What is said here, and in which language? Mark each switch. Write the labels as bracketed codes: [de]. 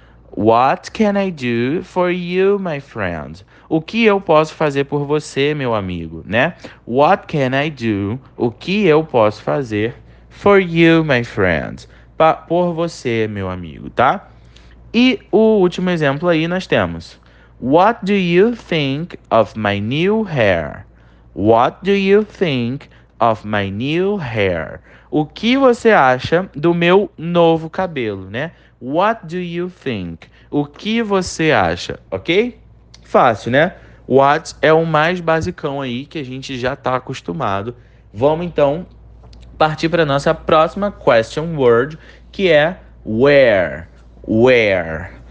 [en] What can I do for you, my friend? [pt] O que eu posso fazer por você, meu amigo, né? [en] What can I do? [pt] O que eu posso fazer [en] for you, my friend? [pt] Por você, meu amigo, tá? E o último exemplo aí nós temos: [en] What do you think of my new hair? What do you think of my new hair? [pt] O que você acha do meu novo cabelo, né? [en] What do you think? [pt] O que você acha, ok? Fácil, né? What é o mais basicão aí que a gente já está acostumado. Vamos então partir para nossa próxima question word, que é where. Where.